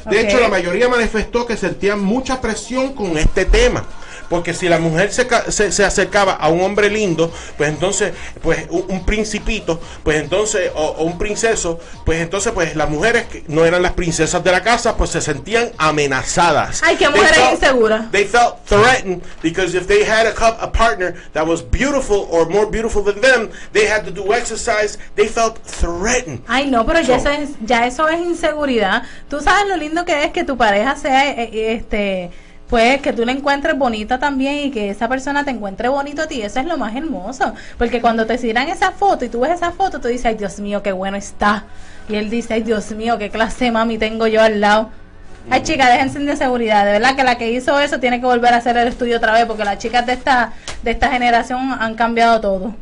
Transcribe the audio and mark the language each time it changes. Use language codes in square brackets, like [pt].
[es] De hecho, la mayoría manifestó que sentían mucha presión con este tema. Porque si la mujer se acercaba a un hombre lindo, pues entonces, pues un principito, pues entonces, o un princeso, pues entonces, pues las mujeres que no eran las princesas de la casa, pues se sentían amenazadas. Ay, qué mujer insegura. [en] They felt threatened because if they had a partner that was beautiful or more beautiful than them, they had to do exercise, they felt threatened. [es] Ay, no, pero eso es inseguridad. Tú sabes lo lindo que es que tu pareja sea, pues que tú la encuentres bonita también y que esa persona te encuentre bonito a ti. Eso es lo más hermoso. Porque cuando te tiran esa foto y tú ves esa foto, tú dices, ay, Dios mío, qué bueno está. Y él dice, ay, Dios mío, qué clase mami tengo yo al lado. Ay, chica, déjense de seguridad. De verdad que la que hizo eso tiene que volver a hacer el estudio otra vez, porque las chicas de esta generación han cambiado todo.